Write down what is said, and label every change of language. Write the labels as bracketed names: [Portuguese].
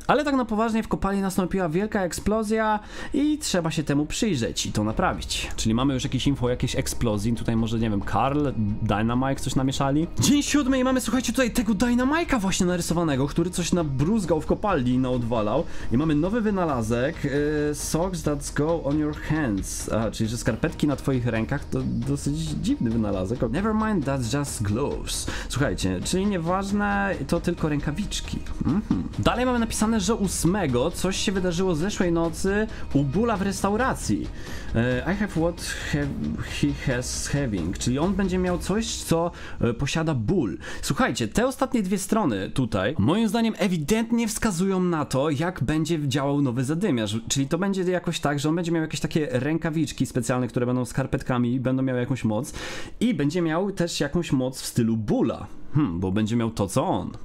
[Polish] Ale tak na poważnie, w kopalni nastąpiła wielka eksplozja i trzeba się temu przyjrzeć i to naprawić. Czyli mamy już jakieś info o jakiejś eksplozji. Tutaj może, nie wiem, Carl, Dynamike coś namieszali. Dzień 7 i mamy, słuchajcie, tutaj tego Dynamike'a właśnie narysowanego, który coś nabruzgał w kopalni i naodwalał. I mamy nowy wynalazek. [English] Socks that go on your hands. [Polish] Aha, czyli że skarpety na twoich rękach, to dosyć dziwny wynalazek. [English] Never mind, that's just gloves. [Polish] Słuchajcie, czyli nieważne, to tylko rękawiczki. Mm-hmm. Dalej mamy napisane, że 8 coś się wydarzyło zeszłej nocy u Bula w restauracji. [English] I have what he has having. [Polish] Czyli on będzie miał coś, co posiada Bull. Słuchajcie, te ostatnie dwie strony tutaj moim zdaniem ewidentnie wskazują na to, jak będzie działał nowy Zadymiarz. Czyli to będzie jakoś tak, że on będzie miał jakieś takie rękawiczki specjalne, które będą skarpetkami, będą miały jakąś moc i będzie miał też jakąś moc w stylu Bulla, bo będzie miał to, co on.